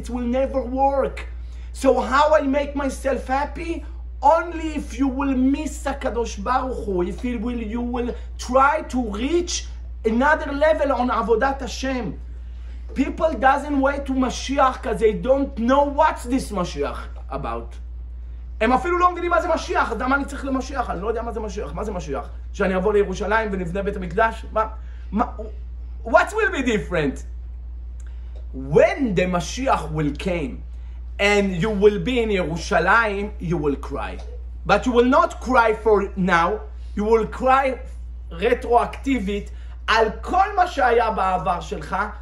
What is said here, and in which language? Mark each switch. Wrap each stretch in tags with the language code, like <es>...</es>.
<en>It will never work. So how I make myself happy? Only if you will miss HaKadosh Baruch Hu, if you will try to reach another level on Avodat Hashem. People doesn't wait to Mashiach because they don't know what's this Mashiach about.</en> <he>הם אפילו לא מבינים מה זה משיח, אדם אני צריך למשיח, אני לא יודע מה זה משיח, מה זה משיח? שאני אבוא לירושלים ונבנה בית המקדש? מה?</he> <en>What will be different? When the משיח will came and you will be in ירושלים, you will cry. But you will not cry for now, you will cry retroactivit</en> <he>על כל מה שהיה בעבר שלך.</he>